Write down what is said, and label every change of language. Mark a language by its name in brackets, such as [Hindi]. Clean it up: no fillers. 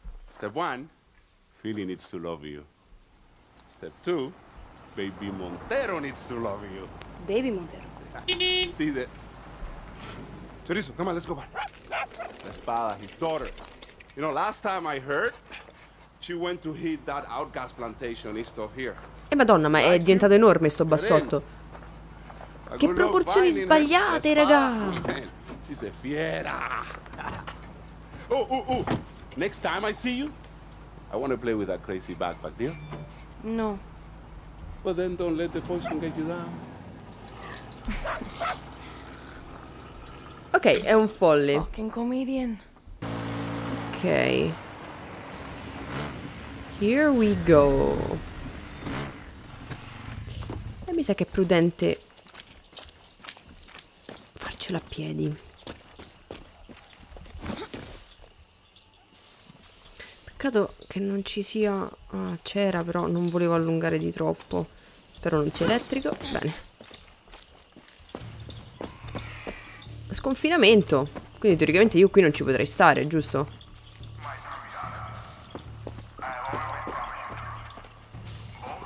[English] Step one, Philly needs to love you. Step two, baby Montero needs to love you. Baby Montero. See that? Chorizo, come on, let's go back. La espada, his daughter. You know, last time I heard, she went to hit that outcast plantation east of here. [Italian] E madonna, ma è diventato enorme sto bassotto. Che proporzioni sbagliate, raga! Ci sei fiera! Oh, oh, oh! [English] Next time I see you, I want to play with that crazy backpack, deal? No. Well, then don't let the poison get you down. [Italian] Ok, è un folle. [English] Fucking comedian. [Italian] Ok. [English] Here we go. [Italian] E mi sa che è prudente farcela a piedi. Peccato che non ci sia... Ah, c'era però, non volevo allungare di troppo. Spero non sia elettrico. Bene. Sconfinamento. Quindi teoricamente io qui non ci potrei stare, giusto? [English] My true daughter, I have always promised you the truth.